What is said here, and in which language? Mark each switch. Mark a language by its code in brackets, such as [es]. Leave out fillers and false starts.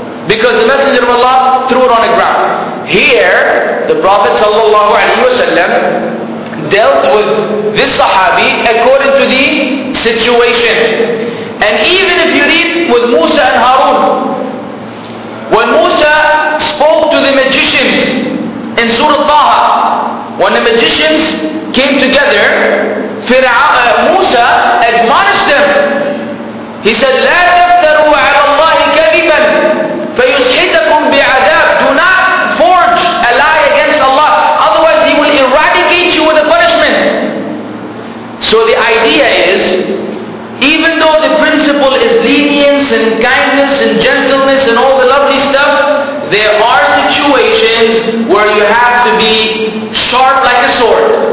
[en] Because the Messenger of Allah threw it on the ground. Here, the Prophet sallallahu alaihi wasallam dealt with this Sahabi according to the situation. And even if you read with Musa and Harun, when Musa spoke to the magicians in Surah Taha, when the magicians came together, Musa admonished them. [ar] He said, لا تفتروا على الله كذبا فيسحتكم بعذاب. [en] Do not forge a lie against Allah, otherwise He will eradicate you with a punishment. So the idea is, even though the principle is lenience and kindness and gentleness and all the lovely stuff, there are situations where you have to be sharp like a sword.